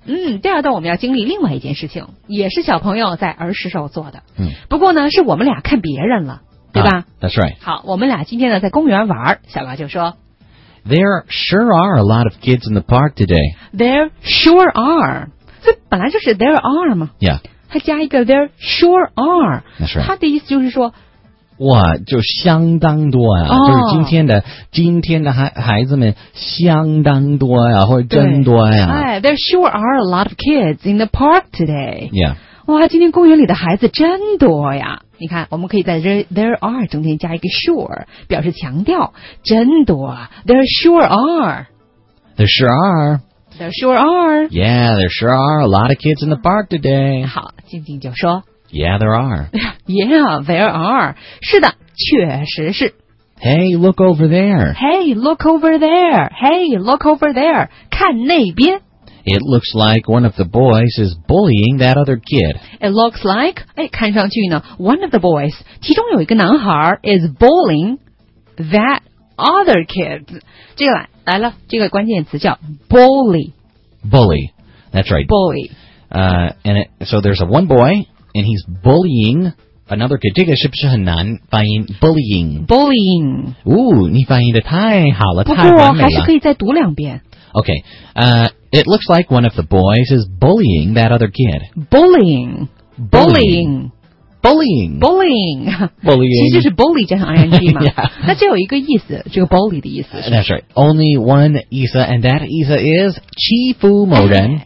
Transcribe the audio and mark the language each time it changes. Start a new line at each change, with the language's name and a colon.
Chinese: 嗯，第二段我们要经历另外一件事情，也是小朋友在儿时时候做的。嗯，不过呢，是我们俩看别人了，对吧、
English: That's right.
Chinese: 好，我们俩今天呢在公园玩，小高就说
English: ，There sure are a lot of kids in the park today. There sure are.
Chinese: 这本来就是 there are 嘛。
English: Yeah.
Chinese: 还加一个
English: there sure are. That's right.
Chinese: 他的意思就是说。哇，就相当多呀、啊！ Oh, 就是今天的孩子们相当多呀、啊，或者真多呀、啊。
English: 哎 ，There sure are a lot of kids in the park today. Yeah.
Chinese: 哇，今天公园里的孩子真多呀！你看，我们可以在
English: there are
Chinese: 中间加一个 sure， 表示强调，真多。
English: There sure are. There sure are. There sure are. Yeah, there sure are a lot of kids in the park today.
Chinese: 好，静静就说。
English: Yeah, there are. Yeah, there are.
Chinese: 是的，确实是。
English: Hey, look over there. Hey, look over there. Hey, look over there.
Chinese: 看那边。
English: It looks like one of the boys is bullying that other kid. It looks like,
Chinese: 哎，看上去呢
English: one of the boys,
Chinese: 其中有一个男孩
English: is bullying that other kid.
Chinese: 这个来了，这个关键词叫 bully.
English: Bully. That's right. Bully. So there's a one boy... And he's bullying another kid.
Chinese: 这个是不是很难发音
English: ？Bullying. Bullying.
Chinese: 哦，你发音的太好了，太完美了。不过还是可以再读两遍。
English: Okay. It looks like one of the boys is bullying that other kid. Bullying. Bullying. Bullying. Bullying. Bullying.
Chinese: 其实是 bully 加上 ing 嘛。
English: yeah.
Chinese: 那只有一个意思，这个 bully 的意思。
English: That's right. Only one
Chinese: 意思
English: and that 意思 is
Chinese: 欺负某人。